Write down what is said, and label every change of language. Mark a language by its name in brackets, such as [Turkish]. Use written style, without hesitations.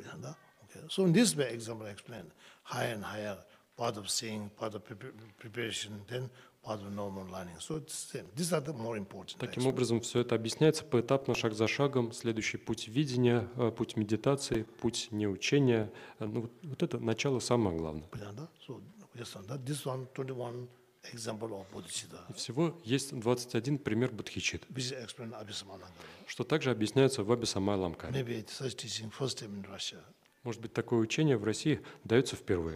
[English] Да? Okay. So in this way, example I explained, higher and higher, part of seeing, part of preparation, then part of normal learning. So it's the same. These are the more important. [Russian] Таким образом, все это объясняется поэтапно, шаг за шагом. Следующий путь видения, путь медитации, путь неучения. Ну, вот это начало самое главное. Понятно? [English] So, yes, this one, 21 example of Bodhisattva. [Russian] И всего есть 21 пример бодхичитты. [English] This is explained Абхисамайлангкара. [Russian] Что также объясняется в Абхисамайлангкаре. [English] Maybe it's such teaching first time in Russia. [Russian] Может быть, такое учение в России дается впервые.